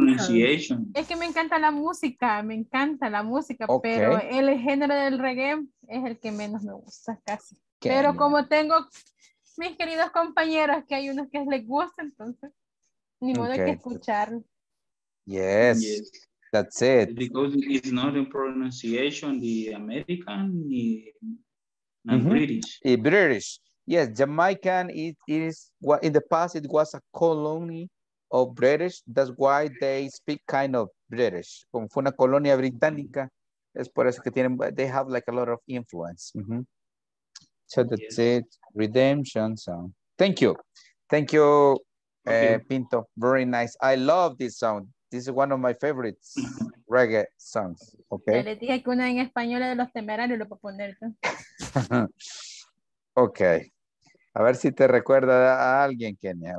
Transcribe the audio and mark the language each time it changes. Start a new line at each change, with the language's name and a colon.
Spanish: Es que me encanta la música, okay. Pero el género del reggae es el que menos me gusta casi. Genial. Pero como tengo mis queridos compañeros, que hay unos que les gusta, entonces ni modo okay. Que escucharlo.
English: Yes. That's it. Because it's not a pronunciation, the American, the mm-hmm. British. The British. Yes, Jamaican, it is, well, in the past, it was a colony of British. That's why they speak kind of British.
Spanish: Como fue una colonia británica, es por eso que tienen,
English: they have like a lot of influence. Mm-hmm. So that's yes. It. Redemption song. Thank you. Thank you, okay. Pinto. Very nice. I love this song. This is one of my favorite reggae songs. Okay.
Spanish: Ya le dije que una en español de Los Temerarios lo puedo poner.
English: Okay.
Spanish: A ver si te recuerda a alguien, Kenia.